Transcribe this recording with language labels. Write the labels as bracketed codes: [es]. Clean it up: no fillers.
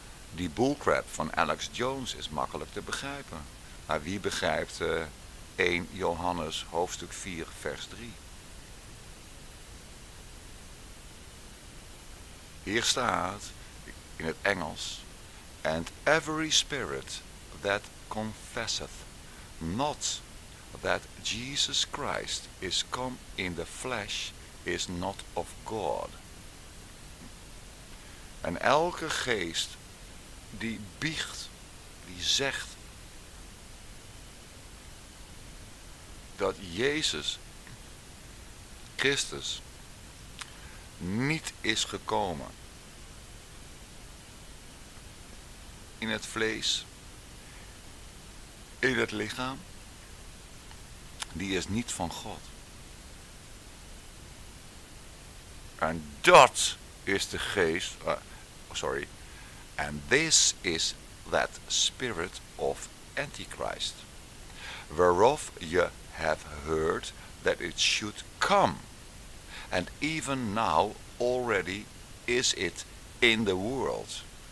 [nl] Die bullcrap van Alex Jones is makkelijk te begrijpen. Maar wie begrijpt 1 Johannes hoofdstuk 4 vers 3? Hier staat in het Engels. [en] And every spirit that confesseth not that Jesus Christ is come in the flesh is not of God. [nl] En elke geest die biecht, die zegt dat Jezus Christus niet is gekomen in het vlees, in het lichaam, die is niet van God. En dat is de geest, [en] and this is that spirit of Antichrist, whereof you have heard that it should come, and even now already is it in the world.